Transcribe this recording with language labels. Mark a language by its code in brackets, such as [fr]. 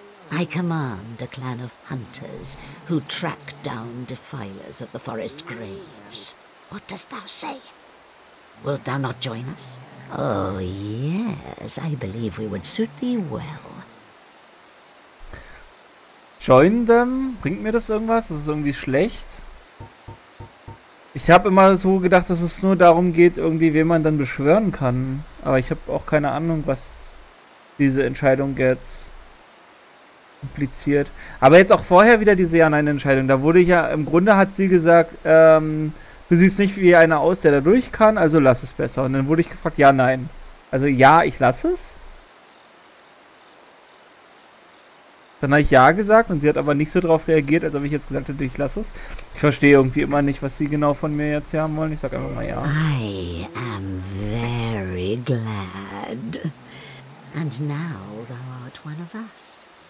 [en] I command a clan of hunters who track down defilers of the forest graves. What dost thou say? Wilt thou not join us? Oh, yes, I believe we would suit thee well. Join them? [de] Bringt mir das irgendwas? Das ist irgendwie schlecht. Ich habe immer so gedacht, dass es nur darum geht, irgendwie, wen man dann beschwören kann. Aber ich habe auch keine Ahnung, was diese Entscheidung jetzt impliziert. Aber jetzt auch vorher wieder diese Ja-Nein-Entscheidung. Da wurde ich ja, im Grunde hat sie gesagt, du siehst nicht wie einer aus, der da durch kann, also lass es besser. Und dann wurde ich gefragt, ja, nein. Also ja, ich lasse es. Dann habe ich ja gesagt und sie hat aber nicht so drauf reagiert, als ob ich jetzt gesagt hätte, ich lasse es. Ich verstehe irgendwie immer nicht, was sie genau von mir jetzt hier haben wollen. Ich sage einfach mal ja. [en] I am very glad. And now thou art one of us.